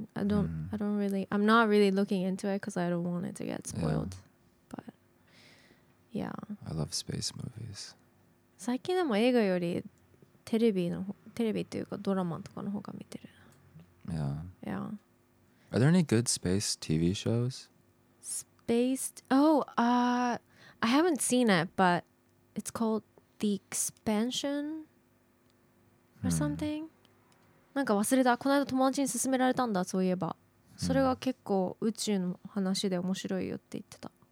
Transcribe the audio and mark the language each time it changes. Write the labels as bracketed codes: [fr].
[en] I'm not really looking into it because I don't want it to get spoiled. Yeah. But yeah. I love space movies. [ja] 最近でも映画よりテレビというかドラマとかの方が見てる。 [en] Yeah. Yeah. Are there any good space TV shows? I haven't seen it, but it's called The Expansion. Or something? [ja] なんか忘れた。この間友達に勧められたんだ、そういえば。それが結構宇宙の話で面白いよって言ってた。